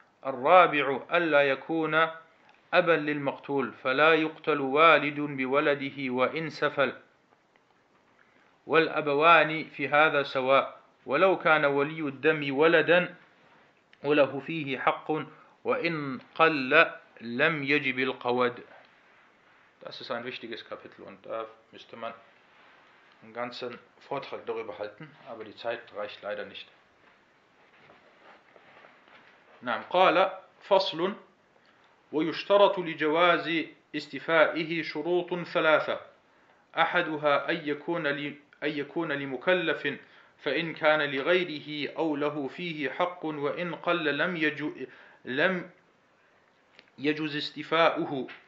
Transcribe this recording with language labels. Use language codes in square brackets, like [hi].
[ar] الرابع ألا يكون أبا للمقتول فلا يقتل والد بولده وإن سفل والأبوان في هذا سواء ولو كان ولي الدم ولدا وله فيه حق وإن قل لم يجب القود. [de] Das ist ein wichtiges Kapitel und da müsste man einen ganzen Vortrag darüber halten, aber die Zeit reicht leider nicht. [ar] نعم قال فصل ويشترط لجواز استيفائه شروط ثلاثة. أحدها أن يكون لمكلف فإن كان لغيره أو له فيه حق وإن قل لم يجوز استيفاؤه.